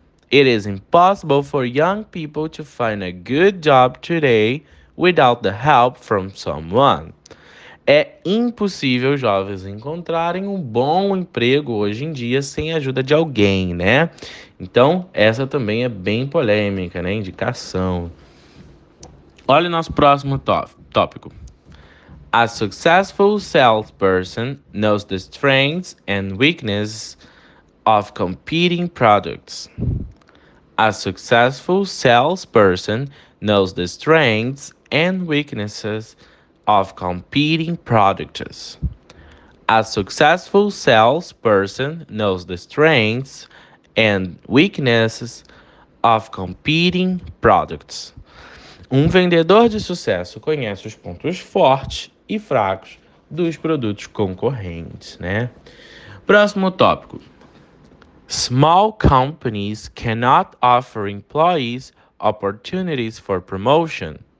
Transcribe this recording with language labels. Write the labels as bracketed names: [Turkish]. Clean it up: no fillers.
[English] It is impossible for young people to find a good job today without the help from someone. [Portuguese] É impossível jovens encontrarem um bom emprego hoje em dia sem a ajuda de alguém, né? Então, essa também é bem polêmica, né? Indicação. Olha o nosso próximo tópico. [English] A successful salesperson knows the strengths and weaknesses of competing products. A successful salesperson knows the strengths and weaknesses of competing products. A successful salesperson knows the strengths and weaknesses of competing products. [Portuguese] Um vendedor de sucesso conhece os pontos fortes e fracos dos produtos concorrentes, né? Próximo tópico. [English] Small companies cannot offer employees opportunities for promotion.